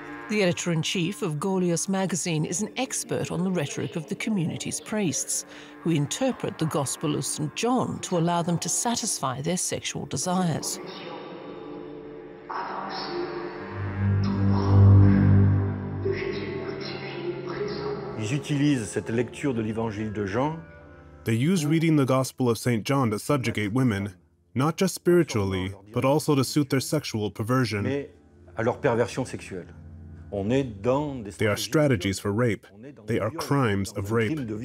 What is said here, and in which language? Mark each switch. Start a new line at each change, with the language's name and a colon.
English: The editor-in-chief of Gaulius magazine is an expert on the rhetoric of the community's priests, who interpret the Gospel of St. John to allow them to satisfy their sexual desires.
French: Ils utilisent cette lecture de l'Évangile de Jean.
English: They use reading the Gospel of St. John to subjugate women, not just spiritually, but also to suit their sexual perversion. They are strategies for rape. They are crimes of rape.